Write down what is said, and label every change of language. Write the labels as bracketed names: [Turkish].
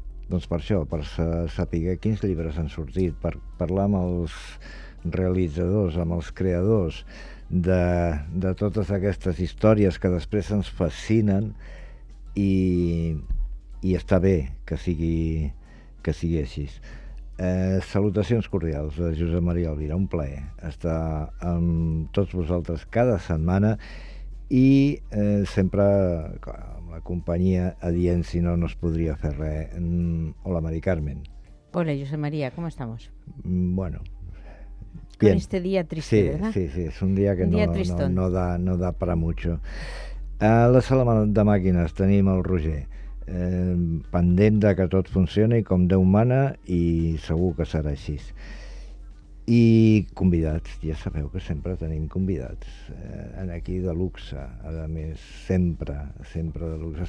[Catalan] Doncs per això, per saber quins llibres han sortit, per parlar amb els realitzadors, amb els creadors de totes aquestes històries que després ens fascinen i està bé que sigui així. Salutacions cordials de Josep Maria Elvira, un plaer estar amb tots vosaltres cada setmana i sempre clar, amb la companyia adient, si no, no es podria fer res. Hola, Mari Carmen. [Spanish] Hola, Josep Maria, ¿cómo estamos? Bueno, bien. Con este día triste, sí, ¿verdad? Sí, sí, es un día que no da para mucho. [Catalan] A la sala de màquines tenim el Roger. Pendent de que tot funcioni com Déu mana i segur que serà així. I convidats, ja sabeu que sempre tenim convidats, aquí de luxe, a més, sempre, sempre de luxe.